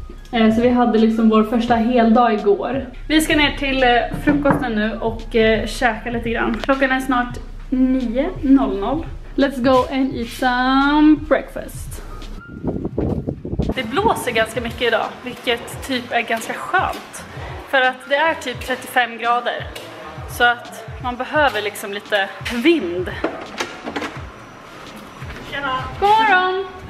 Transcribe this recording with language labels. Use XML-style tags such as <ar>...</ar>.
<sv>Så vi hade liksom vår första heldag igår. Vi ska ner till frukosten nu och käka lite grann. Klockan är snart 9:00.</sv> <en>Let's go and eat some breakfast.</en> <sv>Det blåser ganska mycket idag, vilket typ är ganska skönt. För att det är typ 35 grader. Så att man behöver liksom lite vind. Tjena. God morgon.</sv>